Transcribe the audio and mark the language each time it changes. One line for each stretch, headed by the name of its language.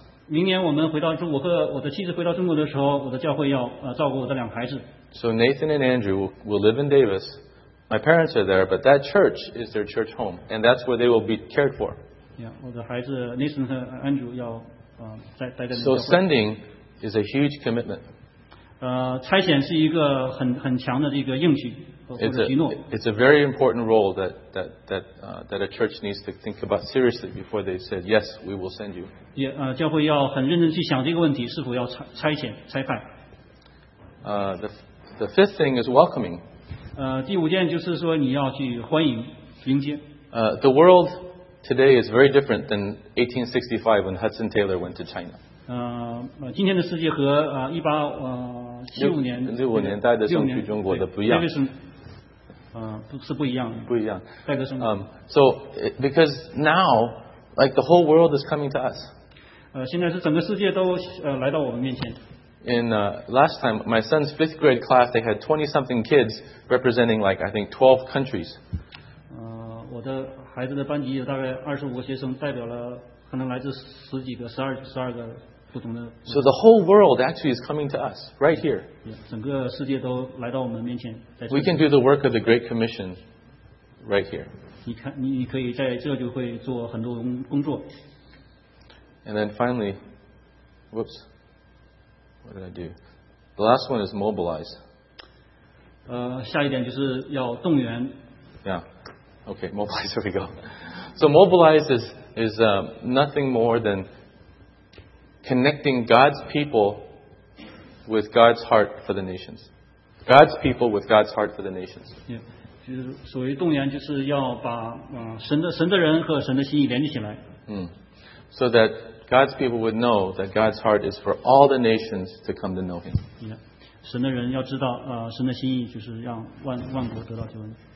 Chinese: 明年我们回到中国，我的妻子回到中国的时候，我的教会要照顾我的两个孩子。
English: So Nathan and Andrew will live in Davis. My parents are there, but that church is their church home, and that's where they will be cared for.
Chinese: Yeah, 我的孩子 Nathan 和 Andrew 要待在那。
English: So sending is a huge commitment.
Chinese: 差遣是一个很强的一个应许或者承诺。
English: It's a very important role that a church needs to think about seriously before they said yes, we will send you.
Chinese: 教会要很认真去想这个问题，是否要差遣差派。
English: The fifth thing is welcoming.
Chinese: 第五件就是说你要去欢迎迎接。
English: The world today is very different than 1865 when Hudson Taylor went to China.
Chinese: 今天的世界和1875年的时候去中国的不一样。是不一样。不一样。戴德生。
English: So because now, like the whole world is coming to us.
Chinese: 现在是整个世界都来到我们面前。
English: In last time, my son's fifth grade class, they had 20-something kids representing, like, I think, 12 countries.
Chinese: 我的孩子的班级有大概25个学生，代表了可能来自十二个不同的。
English: So the whole world actually is coming to us right here.
Chinese: 整个世界都来到我们面前。
English: We can do the work of the Great Commission right here.
Chinese: 你可以在这就会做很多工作。
English: And then finally, whoops. What did I do? The last one is mobilize.
Chinese: 下一点就是要动员。
English: Yeah. Okay, mobilize, here we go. So mobilize is nothing more than connecting God's people with God's heart for the nations. God's people with God's heart for the nations. Yeah.
Chinese: 就是所谓动员就是要把神的人和神的心意连接起来。
English: So that... God's people would know that God's heart is for all the nations to come to know Him.
Chinese: Yeah, 神的人要知道，神的心意就是让万国得到救恩。